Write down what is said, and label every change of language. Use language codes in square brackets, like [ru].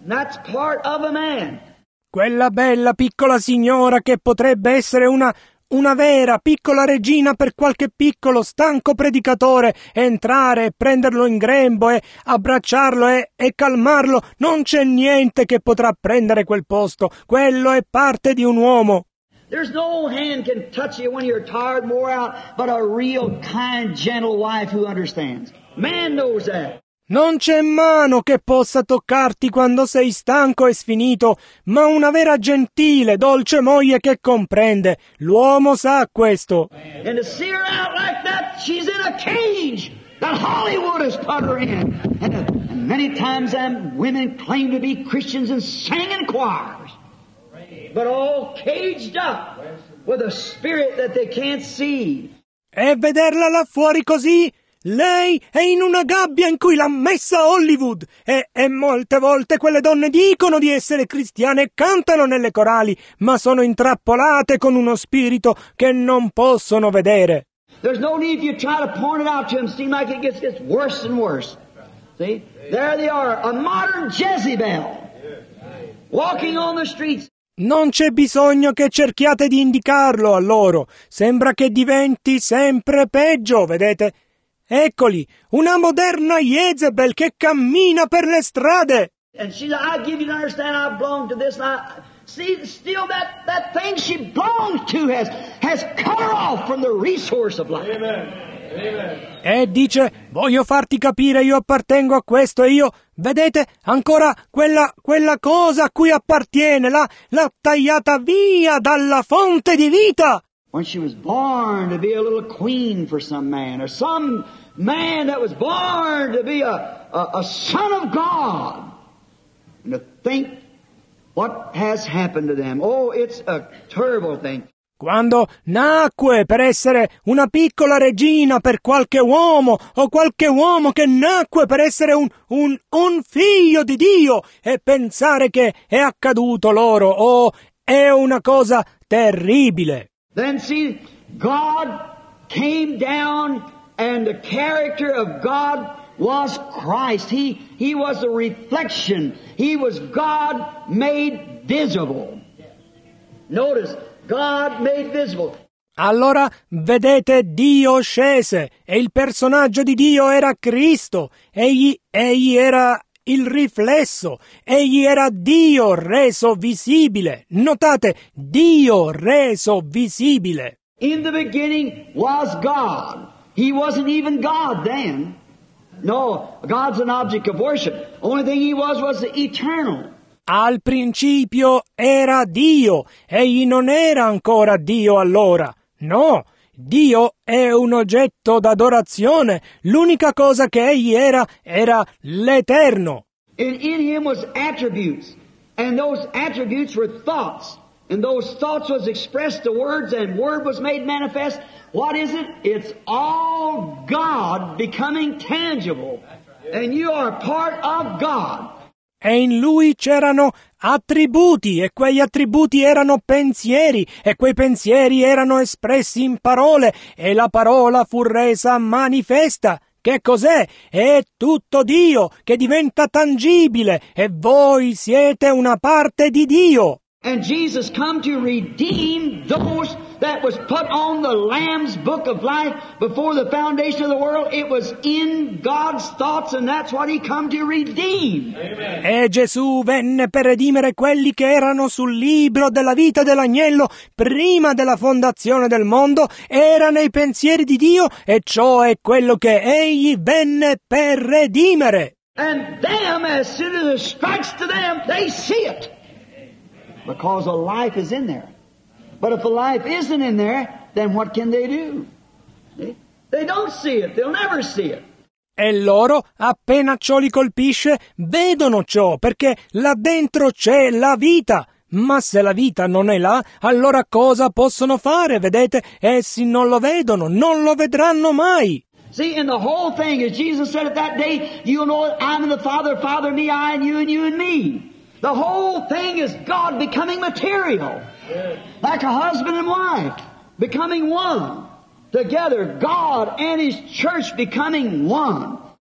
[en] That's part of a man. [it] Quella bella piccola signora che potrebbe essere una vera piccola regina per qualche piccolo stanco predicatore, entrare e prenderlo in grembo e abbracciarlo e calmarlo, non c'è niente che potrà prendere quel posto. Quello è parte di un uomo. [en] There's no hand can touch you when you're tired, wore out, but a real kind, gentle wife who understands. Man knows that. [it] Non c'è mano che possa toccarti quando sei stanco e sfinito, ma una vera gentile, dolce moglie che comprende. L'uomo sa questo. [en] And to see her out like that, she's in a cage that Hollywood has put her in. And many times them women claim to be Christians and sang in choirs, but all caged up with a spirit that they can't see. [it] E vederla là fuori così? Lei è in una gabbia in cui l'ha messa Hollywood, e molte volte quelle donne dicono di essere cristiane e cantano nelle corali, ma sono intrappolate con uno spirito che non possono vedere. [en] There's no need you try to point it out to them, seem like it gets worse and worse. See? There they are, a modern Jezebel, walking on the streets. [it] Non c'è bisogno che cerchiate di indicarlo a loro. Sembra che diventi sempre peggio, vedete? Eccoli, una moderna Jezebel che cammina per le strade. [en] And she said, I give you to understand I belong to this. I see still that thing she belongs to has cut her off from the resource of life. Amen. [it] E dice, voglio farti capire, io appartengo a questo e io, vedete, ancora quella cosa a cui appartiene, l'ha tagliata via dalla fonte di vita. [en] When she was born to be a little queen for some man, or some man that was born to be a son of God, and to think what has happened to them, oh, it's a terrible thing. [it] Quando nacque per essere una piccola regina per qualche uomo, o qualche uomo che nacque per essere un figlio di Dio, e pensare che è accaduto loro, oh, è una cosa terribile. [en] Then see, God came down and the character of God was Christ. He was a reflection. He was God made visible. Notice, God made visible. [it] Allora, vedete, Dio scese e il personaggio di Dio era Cristo. Egli era il riflesso. Egli era Dio reso visibile. Notate, Dio reso visibile. [en] In the beginning was God. He wasn't even God then. No, God's an object of worship. Only thing he was eternal. [it] Al principio era Dio, egli non era ancora Dio allora. No, Dio è un oggetto d'adorazione, l'unica cosa che egli era l'Eterno. [en] And in him was attributes, and those attributes were thoughts, and those thoughts was expressed to words, and word was made manifest. What is it? It's all God becoming tangible, and you are part of God. [it] E in lui c'erano attributi, e quegli attributi erano pensieri, e quei pensieri erano espressi in parole, e la parola fu resa manifesta. Che cos'è? È tutto Dio, che diventa tangibile, e voi siete una parte di Dio. [en] And Jesus come to redeem those that was put on the Lamb's book of life before the foundation of the world. It was in God's thoughts, and that's what he come to redeem. Amen. [it] E Gesù venne per redimere quelli che erano sul libro della vita dell'agnello prima della fondazione del mondo, era nei pensieri di Dio, e ciò è quello che egli venne per redimere. [en] And them, as soon as it strikes to them, they see it. Because a life is in there. But if a life isn't in there, then what can they do? They don't see it. They'll never see it. [it] E loro, appena ciò li colpisce, vedono ciò, perché là dentro c'è la vita. Ma se la vita non è là, allora cosa possono fare, vedete? Essi non lo vedono, non lo vedranno mai. [en] See, in the whole thing, as Jesus said at that day, you know I'm in the Father, Father, me, I, and you and me. The whole thing is God becoming material, like a husband and wife becoming one, together God and his church becoming one.